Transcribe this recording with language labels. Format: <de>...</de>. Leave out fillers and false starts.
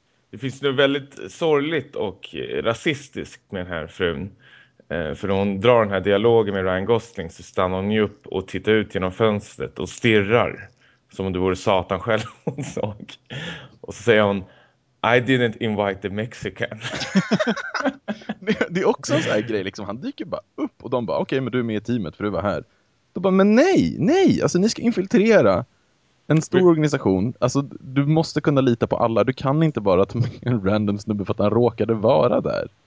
<sv>Det finns nu väldigt sorgligt och rasistiskt med den här frun. För hon drar den här dialogen med Ryan Gosling så stannar hon ju upp och tittar ut genom fönstret och stirrar. Som om det vore Satan själv hon såg. Och så säger hon,</sv> <en>I didn't invite the Mexican.</en> <sv>Det är också en sån här grej, liksom, han dyker bara upp och de bara, okej, men du är med i teamet för du var här. Då bara, men nej, alltså ni ska infiltrera. En stor organisation, alltså du måste kunna lita på alla. Du kan inte bara ta med en random snubbe för att han råkade vara där.</sv>